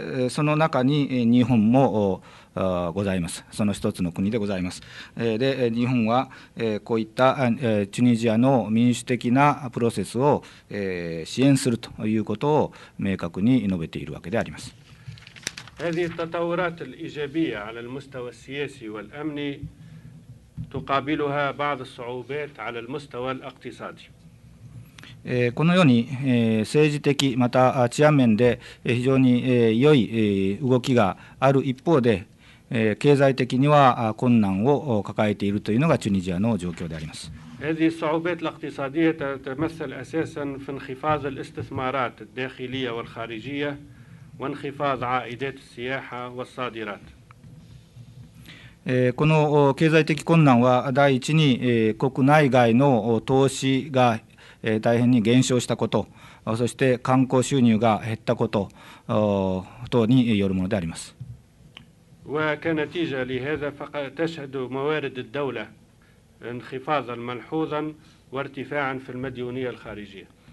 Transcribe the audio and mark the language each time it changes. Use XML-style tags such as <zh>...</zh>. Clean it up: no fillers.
<ja>その中に日本もございます。その一つの国でございます。で、日本はこういったチュニジアの民主的なプロセスを支援するということを明確に述べているわけであります。</ja> <ar>هذه التطورات الإيجابية على المستوى السياسي والأمني تقابلها بعض الصعوبات على المستوى الاقتصادي。</ar> <ja>このように政治的また治安面で非常に良い動きがある一方で、経済的には困難を抱えているというのがチュニジアの状況であります。</ja> <ar>هذه الصعوبات الاقتصادية تتمثل أساسا في انخفاض الاستثمارات الداخلية والخارجية وانخفاض عائدات السياحة والصادرات。</ar> <ja>この経済的困難は第一に国内外の投資が大変に減少したこと、そして観光収入が減ったこと等によるものであります。</ja> <ar>وكنتيجة لهذا فقد تشهد موارد الدولة انخفاضا ملحوظا وارتفاعا في المديونية الخارجية。</ar>